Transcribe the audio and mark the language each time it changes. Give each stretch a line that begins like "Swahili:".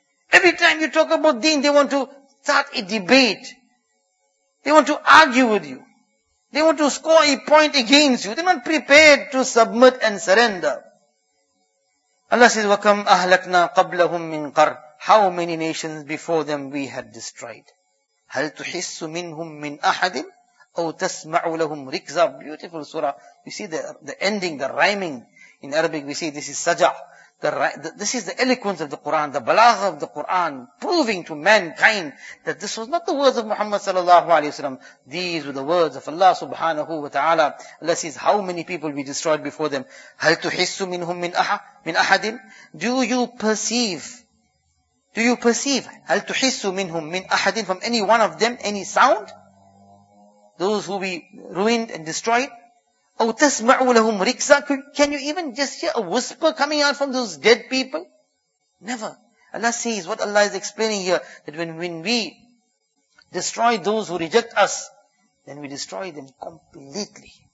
English: Every time you talk about deen, they want to start a debate. They want to argue with you. They want to score a point against you. They're not prepared to submit and surrender. Allah says,
Arabic: وَكَمْ أَهْلَكْنَا قَبْلَهُمْ مِنْ قَرْنٍ
English: How many nations before them we had destroyed?
Arabic: هَلْ تُحِسُّ مِنْهُمْ مِنْ أَحَدٍ أَوْ تَسْمَعُ لَهُمْ رِكْزَ
English: Beautiful surah. You see the ending, the rhyming. In Arabic we say this is saja. This is the eloquence of the Qur'an, the balagh of the Qur'an, proving to mankind that this was not the words of Muhammad sallallahu alayhi wa sallam. These were the words of Allah subhanahu wa ta'ala. Allah says, how many people we destroyed before them?
Arabic: هَلْ تُحِسُّ مِنْهُمْ مِنْ أَحَدٍ
English: Do you perceive?
Arabic: هَلْ تُحِسُّ مِنْهُمْ مِنْ أَحَدٍ
English: From any one of them, any sound? Those who we ruined and destroyed?
Arabic: أَوْ تَسْمَعُوا لَهُمْ رِكْزًا
English: Can you even just hear a whisper coming out from those dead people? Never. Allah says, what Allah is explaining here, that when we destroy those who reject us, then we destroy them completely.